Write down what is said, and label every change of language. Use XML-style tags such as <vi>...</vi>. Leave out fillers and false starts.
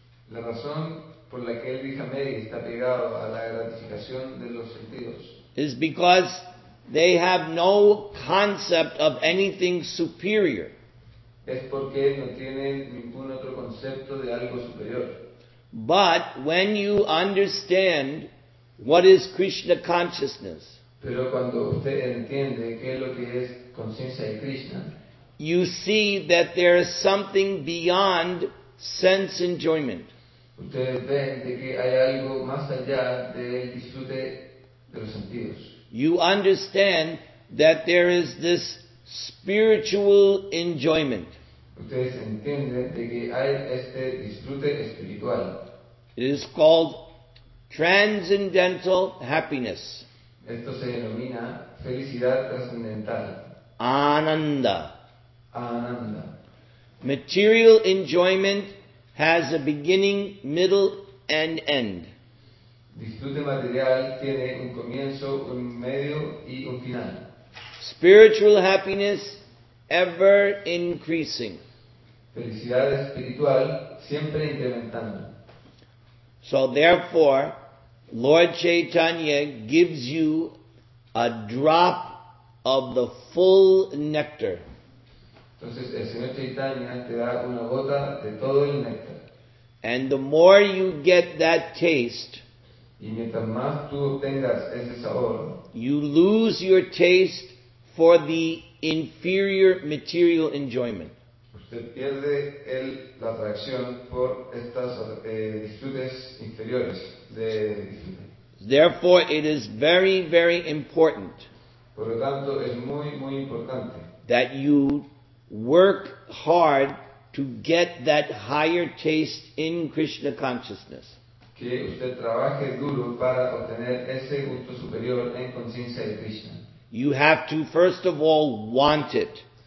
<es>la razón por la que el Grihamedi está pegado a la gratificación de los sentidos,</es> <en>is because they have no concept of anything superior.</en> <es>Es porque no tienen ningún otro concepto de algo superior.</es> <en>But when you understand what is Krishna consciousness,</en> <es>pero cuando usted entiende qué es lo que es conciencia de Krishna,</es> <en>you see that there is something beyond sense enjoyment.</en> <es>Ustedes ven de que hay algo más allá del disfrute de los sentidos.</es> <en>You understand that there is this spiritual enjoyment.</en> <es>Ustedes entienden de que hay este disfrute espiritual.</es> <en>It is called transcendental happiness.</en> <es>Esto se denomina felicidad trascendental.</es> <sa>Ananda. Ananda.</sa> <en>Material enjoyment has a beginning, middle, and end.</en> <es>Disfrute material tiene un comienzo, un medio y un final.</es> <en>Spiritual happiness ever increasing.</en> <es>Felicidad espiritual siempre incrementando.</es> <en>So therefore, Lord Chaitanya gives you a drop of the full nectar.</en> <es>Entonces el Señor Chaitanya te da una gota de todo el néctar.</es> <en>And the more you get that taste,</en> <es>y mientras más tú obtengas ese sabor,</es> <en>you lose your taste for the inferior material enjoyment.</en> <es>Usted pierde la atracción por estas disfrutes inferiores de disfrute.</es> <en>Therefore, it is very, very important.</en> <es>Por lo tanto, es muy, muy importante</es> <en>that you work hard to get that higher taste in Krishna consciousness.</en> <es>Que usted trabaje duro para obtener ese gusto superior en conciencia de Krishna.</es> <en>You have to first of all want it.</en>